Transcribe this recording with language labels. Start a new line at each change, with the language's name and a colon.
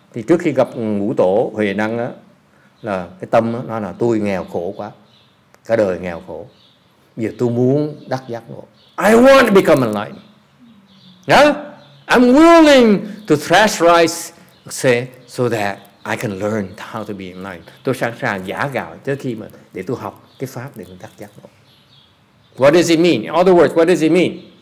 Vietnamese: Thì trước khi gặp ngũ tổ Huệ Năng á, là cái tâm nó là tôi nghèo khổ quá, cả đời nghèo khổ. Giờ tôi muốn đắc giác ngộ.
English: I want to become enlightened. Yeah? I'm willing to thresh rice, say, so that I can learn how to be enlightened.
Vietnamese: Tôi sẵn sàng giả gạo trước khi mà để tôi học cái pháp để tôi đắc giác ngộ.
English: What does it mean? In other words, what does it mean?